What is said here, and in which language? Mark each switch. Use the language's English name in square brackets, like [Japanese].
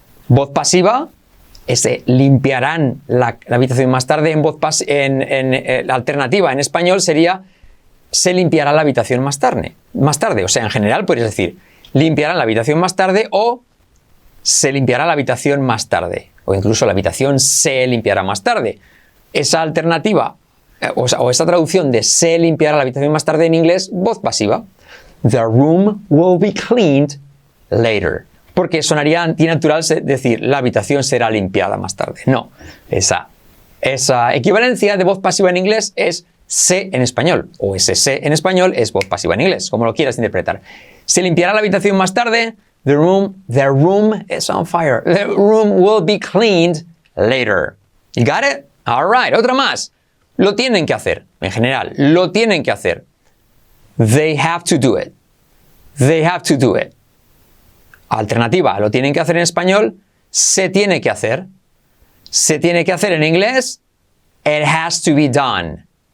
[Spanish] Voz pasiva, ese limpiarán la habitación más tarde, en alternativa, en español sería se limpiará la habitación más tarde. O sea, en general puedes decir limpiarán la habitación más tarde o se limpiará la habitación más tarde. O incluso la habitación se limpiará más tarde. Esa alternativa o esa traducción de se limpiará la habitación más tarde en inglés, voz pasiva. [English] The room will be cleaned later. [Spanish] Porque sonaría antinatural decir la habitación será limpiada más tarde. No, esa equivalencia de voz pasiva en inglés es se en español, o ese se en español es voz pasiva en inglés, como lo quieras interpretar. Se limpiará la habitación más tarde. [English] The room is on fire. The room will be cleaned later. You got it? All right, [Spanish] otra más. Lo tienen que hacer, en general. Lo tienen que hacer. [English] They have to do it. [Spanish] They have to do it. Alternativa, lo tienen que hacer en español. Se tiene que hacer. Se tiene que hacer en inglés. [English] It has to be done.